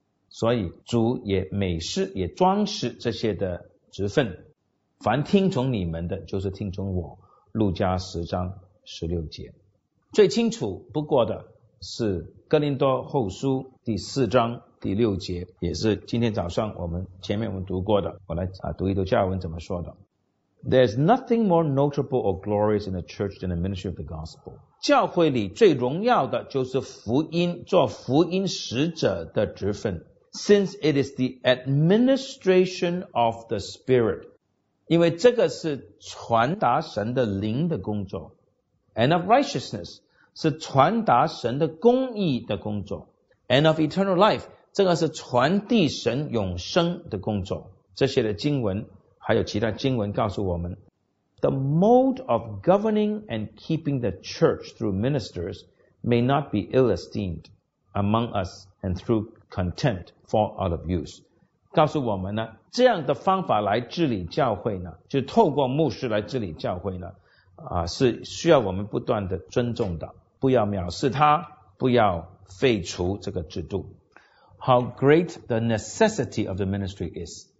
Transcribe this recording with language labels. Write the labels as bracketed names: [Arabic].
[Chinese] 所以主也美饰也装饰这些的职分，凡听从你们的就是听从我，路加10章16节。最清楚不过的是哥林多后书4章6节，也是今天早上我们前面我们读过的，我来读一读加尔文怎么说的。 [English] There's nothing more notable or glorious in the church than the ministry of the gospel， [Chinese] 教会里最荣耀的就是福音，做福音使者的职分。 [English] Since it is the administration of the Spirit， [Chinese] 因为这个是传达神的灵的工作。 [English] And of righteousness， [Chinese] 是传达神的公义的工作。 [English] And of eternal life， [Chinese] 这个是传递神永生的工作。这些的经文还有其他经文告诉我们， [English] The mode of governing and keeping the church through ministers may not be ill-esteemed among us and through contempt for out of use， [Chinese] 告诉我们呢，这样的方法来治理教会呢，就透过牧师来治理教会呢，是需要我们不断的尊重的，不要藐视它，不要废除这个制度。 [English] How great the necessity of the ministry is，